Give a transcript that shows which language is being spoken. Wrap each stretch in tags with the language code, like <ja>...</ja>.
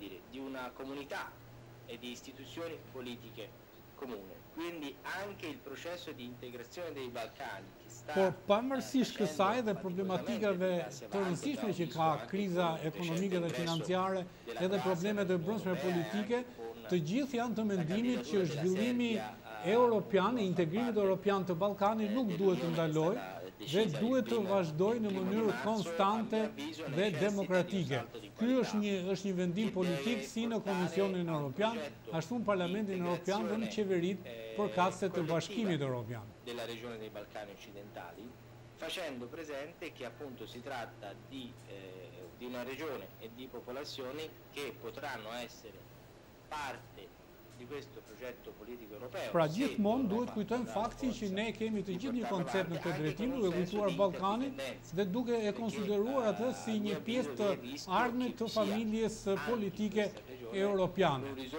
<it>Di una comunità e di istituzioni politiche comune. Quindi anche il processo di integrazione dei Balcani</it> <sq>Por pavarësisht kësaj dhe problematikave të rëndësishme që ka kriza ekonomike dhe financiare, edhe problemet e brendshme politike, të gjithë janë të mendimit që zhvillimi europian, integrimit europian të Ballkanit nuk duhet të ndalojë dhe duhet të vazhdojë në mënyrë konstante dhe demokratike. Ky është një vendim politik si në Komisionin Europian, ashtu në Parlamentin Europian dhe në qeveritë përkatëse të Bashkimit Europian.</sq> <it>Della regione dei Balcani occidentali, facendo presente che appunto si tratta di una regione e di popolazioni che potranno essere parte di questo progetto politico europeo.</it> <sq>Pra gjithmonë duhet kujtojmë faktin që ne kemi të gjithë një koncept në këtë drejtim, duke kujtuar Ballkanin dhe duke e konsideruar atë si një pjesë të ardhmë të familjes politike europiane.</sq>